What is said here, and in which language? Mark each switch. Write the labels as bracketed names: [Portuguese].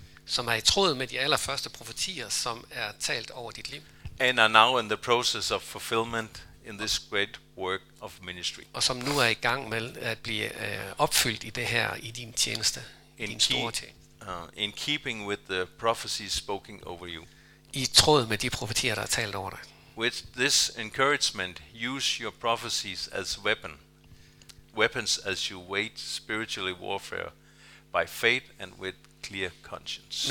[Danish] Som er i tråd med de allerførste profetier, som er talt over dit liv. [English] And are now in the process of fulfillment. In this great work of ministry. [Danish] Og som nu er i gang med at blive opfyldt i det her i din tjeneste, i din store tjeneste. [English] In keeping with the prophecies spoken over you. [Danish] I tråd med de profetier der er talt over dig. [English] With this encouragement, use your prophecies as weapons as you wage spiritually warfare by faith and with clear conscience.